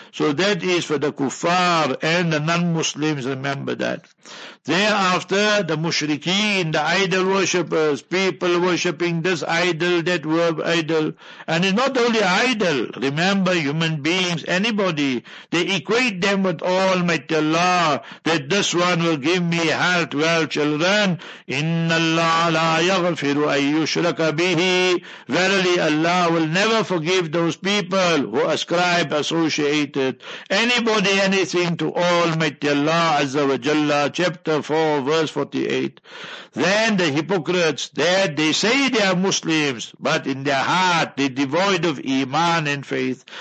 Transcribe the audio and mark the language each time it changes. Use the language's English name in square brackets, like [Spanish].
[English] So that is for the kuffar and the non-Muslims, remember that. Thereafter, the mushrikeen, the idol worshippers, people worship worshipping this idol, that word idol. And it's not only idol. Remember, human beings, anybody, they equate them with Almighty Allah, that this one will give me health. Well, children, [Arabic] إِنَّ اللَّهَ لَا يَغْفِرُ أَن يُشْرَكَ بِهِ. [English] Verily, Allah will never forgive those people who ascribe, associated anybody, anything to Almighty Allah, Azza wa Jalla. Chapter 4, verse 48. Then the hypocrites, that they say they are Muslims, but in their heart they devoid of iman and faith.